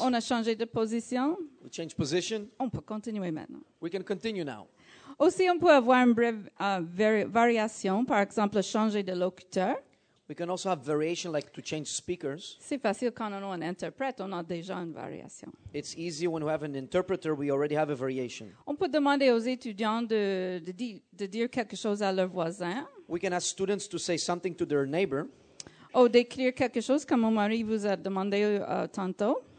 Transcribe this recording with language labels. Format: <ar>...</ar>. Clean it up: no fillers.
<fr>On a changé de position.</fr> <en>We changed position.</en> <fr>On peut continuer maintenant.</fr> <en>We can continue now.</en> <fr>Aussi, on peut avoir une brève variation, par exemple, changer de locuteur.</fr> <en>We can also have variation, like to change speakers.</en> <fr>C'est facile quand on a un interprète, on a déjà une variation.</fr> <en>It's easy when we have an interpreter, we already have a variation.</en> <fr>On peut demander aux étudiants de dire quelque chose à leur voisin.</fr> <en>We can ask students to say something to their neighbor.</en> <fr>Ou d'écrire quelque chose comme mon mari vous a demandé tantôt.</fr>